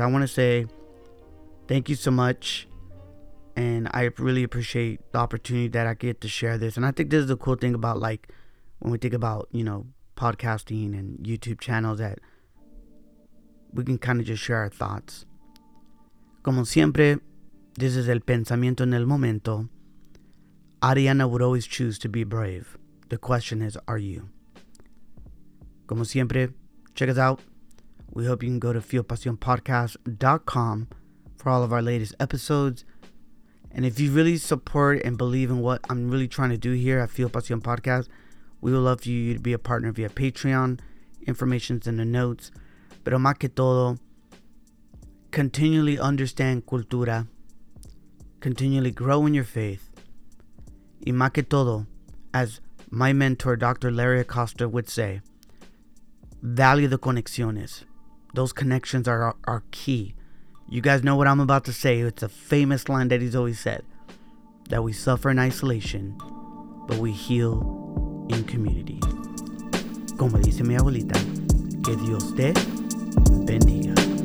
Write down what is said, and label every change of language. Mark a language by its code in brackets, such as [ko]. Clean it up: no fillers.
[en] I want to say thank you so much. And I really appreciate the opportunity that I get to share this. And I think this is the cool thing about, like, when we think about, you know, podcasting and YouTube channels, that we can kind of just share our thoughts. [es] Como siempre, [en] this is [es] el pensamiento en el momento. [en] Ariana would always choose to be brave. The question is, are you? [es] Como siempre, [en] check us out. We hope you can go to fuelpasionpodcast.com for all of our latest episodes. And if you really support and believe in what I'm really trying to do here at Fuel Passion Podcast, we would love for you to be a partner via Patreon. Information's in the notes. [es] Pero más que todo, [en] continually understand cultura. Continually grow in your faith. [es] Y más que todo, [en] as my mentor, Dr. Larry Acosta, would say, value the conexiones. Those connections are key. You guys know what I'm about to say. It's a famous line that he's always said, that we suffer in isolation, but we heal in community. [es] Como dice mi abuelita, que Dios te bendiga.